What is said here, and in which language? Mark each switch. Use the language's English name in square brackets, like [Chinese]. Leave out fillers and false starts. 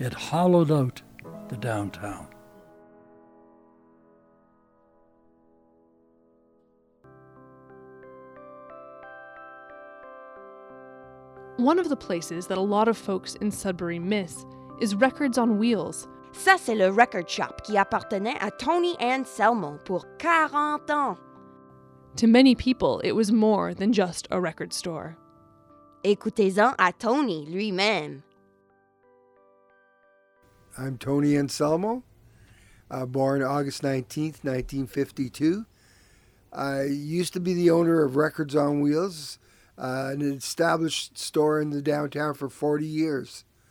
[English] It hollowed out the downtown. One of the places that a lot of folks in Sudbury miss is Records on Wheels. [French] Ça, c'est le record shop qui appartenait à Tony Anselmo pour 40 ans. [English] To many people, it was more than just a record store. [French] Écoutez-en à Tony lui-même. [English] I'm Tony Anselmo, born August 19th, 1952. I used to be the owner of Records on Wheels, an established store in the downtown for 40 years.